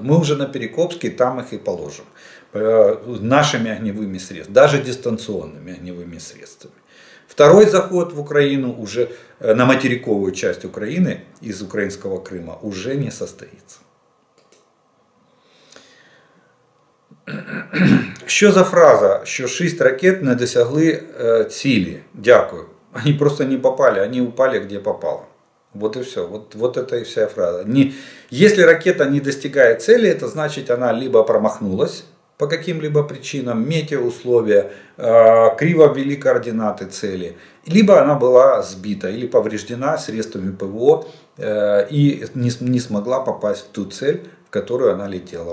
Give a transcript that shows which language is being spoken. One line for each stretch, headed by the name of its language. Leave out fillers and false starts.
Russian: Мы уже на Перекопске, там их и положим. Нашими огневыми средствами, даже дистанционными огневыми средствами. Второй заход в Украину уже, на материковую часть Украины из украинского Крыма, уже не состоится.
Ukrainian: Що за фраза, що 6 ракет не досягли цілі? Дякую.
Russian: Они просто не попали, они упали где попало. Вот и все, вот это и вся фраза. Если ракета не достигает цели, это значит она либо промахнулась, по каким-либо причинам, метеоусловия, криво ввели координаты цели, либо она была сбита или повреждена средствами ПВО и не смогла попасть в ту цель, в которую она летела.